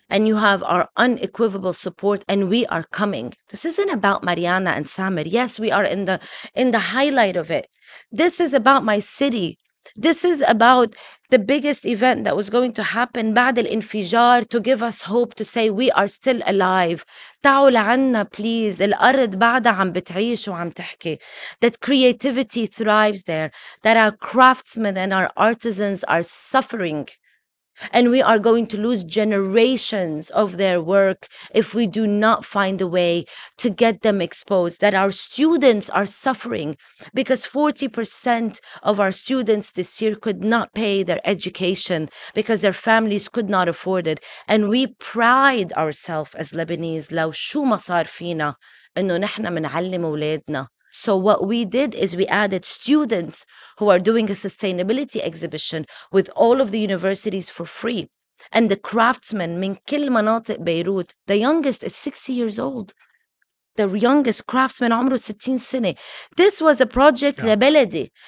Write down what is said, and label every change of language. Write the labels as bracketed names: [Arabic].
[English] And you have our unequivocal support and we are coming. This isn't about Mariana and Samer. Yes, we are in the highlight of it. This is about my city. This is about the biggest event that was going to happen, [Arabic] بعد الانفجار, [English] to give us hope to say we are still alive. [Arabic] تعال عنا, [English] please. [Arabic] الأرض بعد عم بتعيش وعم تحكي. [English] That creativity thrives there. That our craftsmen and our artisans are suffering. And we are going to lose generations of their work if we do not find a way to get them exposed. That our students are suffering because 40% of our students this year could not pay their education because their families could not afford it. And we pride ourselves as Lebanese, [Arabic] لو شو ما صار فينا إنه نحنا منعلم أولادنا. [English] So what we did is we added students who are doing a sustainability exhibition with all of the universities for free. And the craftsmen, [Arabic] من كل مناطق بيروت, [English] the youngest is 60 years old. The youngest craftsman, [Arabic] عمره 16 سنة. [English] This was a project لبلدي.